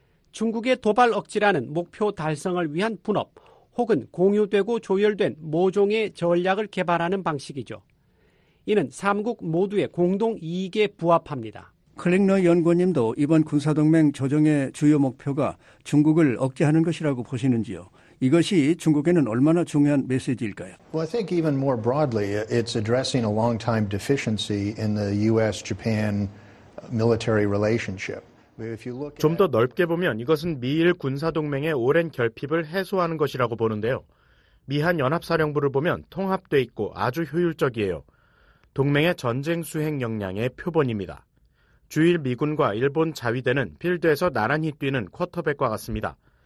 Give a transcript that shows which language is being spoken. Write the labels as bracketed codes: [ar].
[ko] 중국의 도발 억지라는 목표 달성을 위한 분업 혹은 공유되고 조율된 모종의 전략을 개발하는 방식이죠. 이는 3국 모두의 공동 이익에 부합합니다. 클링너 연구원님도 이번 군사동맹 조정의 주요 목표가 중국을 억제하는 것이라고 보시는지요? 이것이 중국에는 얼마나 중요한 메시지일까요? [en] Well, I think even more broadly, it's addressing a long-time deficiency in the U.S.-Japan military relationship. [ko] 좀 더 넓게 보면 이것은 미일 군사동맹의 오랜 결핍을 해소하는 것이라고 보는데요. 미한 연합사령부를 보면 통합돼 있고 아주 효율적이에요. 동맹의 전쟁 수행 역량의 표본입니다. 주일 미군과 일본 자위대는 필드에서 나란히 뛰는 쿼터백과 같습니다.